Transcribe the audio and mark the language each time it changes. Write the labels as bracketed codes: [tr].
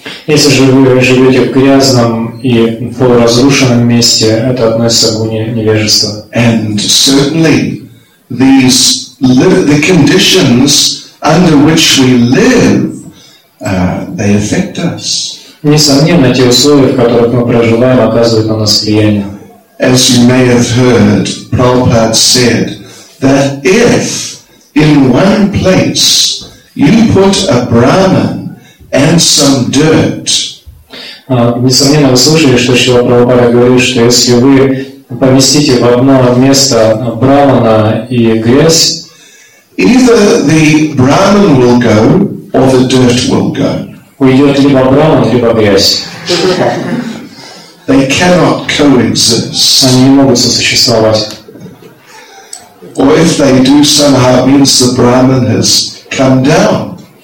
[ru] Если же вы живете в грязном и полуразрушенном месте, это относится к гуне невежества. [en] And certainly, these the conditions under which we live, they affect us. [ru] Несомненно, те условия, в которых мы проживаем, оказывают на нас влияние. [en] As you may have heard, Prabhupada said that if in one place you put a Brahman and some dirt. [ru] Несомненно, вы слышали, что Шрила Прабхупада говорит, что если вы поместите в одно место брахмана и грязь, [en] either the brahman will go or the dirt will go. [ru] Уйдет либо брахман, либо грязь. [en] They cannot coexist. [ru] Они не могут сосуществовать. [en] Or if they do, somehow it means the brahman has come down.